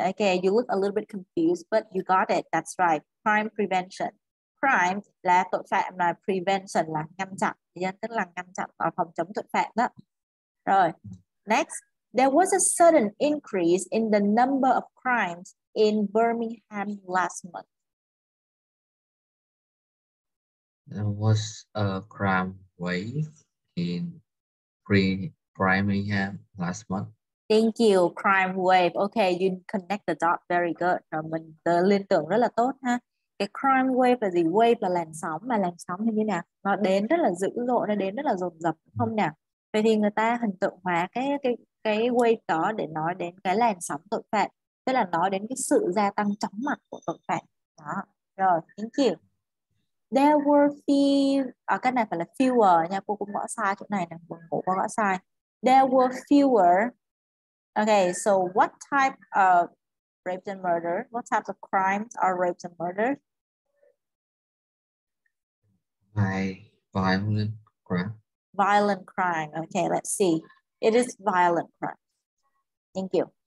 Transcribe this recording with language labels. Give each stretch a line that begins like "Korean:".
English: Okay, you look a little bit confused, but you got it. That's right. Crime prevention.
Vietnamese: Crime là tội phạm, là prevention là ngăn chặn. Yeah, tức là ngăn chặn và phòng chống tội phạm đó. Rồi, next.
English: There was a sudden increase in the number of crimes in Birmingham last month. There was a crime wave in Birmingham last month. Thank you, crime wave. Okay, you connect the dot very good.
Vietnamese: Mình tự liên tưởng rất là tốt ha. Cái crime wave là gì? Wave là làn sóng, mà làn sóng như nào? Nó đến rất là dữ dội, nó đến rất là dồn dập, không nào? Vậy thì người ta hình tượng hóa cái wave đó để nói đến cái làn sóng tội phạm, tức là nói đến cái sự gia tăng chóng mặt của tội phạm. Đó. Rồi,
English: thank you. There were few,
Vietnamese: à, cái này phải là fewer nha, cô cũng gõ sai chỗ này nè, buồn ngủ cô gõ sai.
English: There were fewer. Okay, so what type of rapes and murder? What types of crimes are rapes and murder? Violent crime. Violent crime. Okay, let's see. It is violent crime. Thank you.